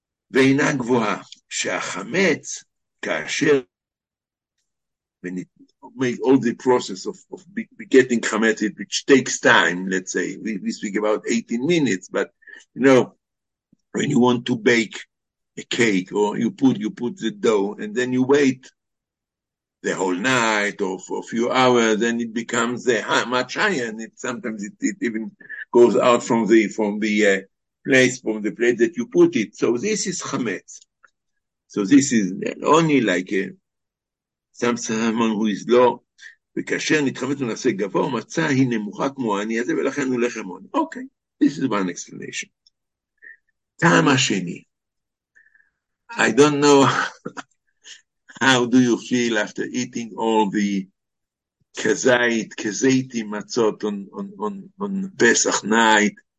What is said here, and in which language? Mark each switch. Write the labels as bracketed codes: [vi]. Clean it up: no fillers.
[he] ואינה גבוהה, שהחמץ, כאשר, [en] when it make all the process of getting חמץ, which takes time, let's say, we speak about 18 minutes, but, you know, when you want to bake a cake, or you put the dough, and then you wait the whole night, or for a few hours, then it becomes much higher, and it sometimes it even goes out from the place, from the place that you put it. So this is chametz. So this is only like someone who is low. [he] וכאשר נתחמת ונעשה גבוה, מצא היא נמוכה כמו אני הזה, ולכן הוא לחם עוני. [en] Okay, this is one explanation. [he] טעם השני. [en] I don't know how do you feel after eating all the kazeiti matzot on Pesach night.